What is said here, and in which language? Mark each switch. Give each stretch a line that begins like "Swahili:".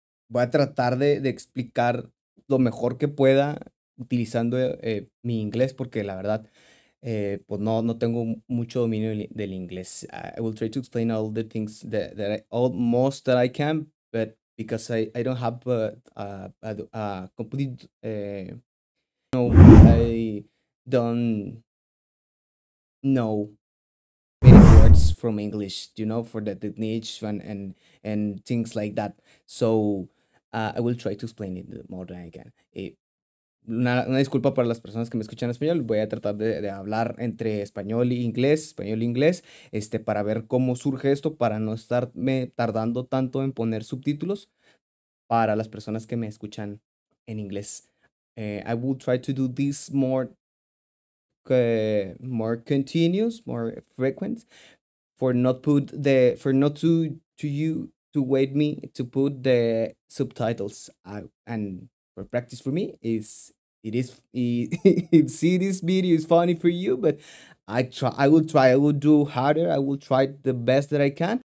Spanish: Voy a tratar de explicar lo mejor que pueda utilizando mi inglés, porque la verdad, pues no tengo mucho dominio del inglés.
English: I will try to explain all the things that I can, but because I don't have a complete, no, I don't know many words from English, you know, for the techniques and things like that. So I will try to explain it more than I can.
Spanish: Una disculpa para las personas que me escuchan en español. Voy a tratar de hablar entre español e inglés, español e inglés, para ver cómo surge esto, para no estarme tardando tanto en poner subtítulos para las personas que me escuchan en inglés.
English: I will try to do this more continuous, more frequent, for not to wait me to put the subtitles out, and for practice for me is see this video is funny for you, but I will do harder, I will try the best that I can.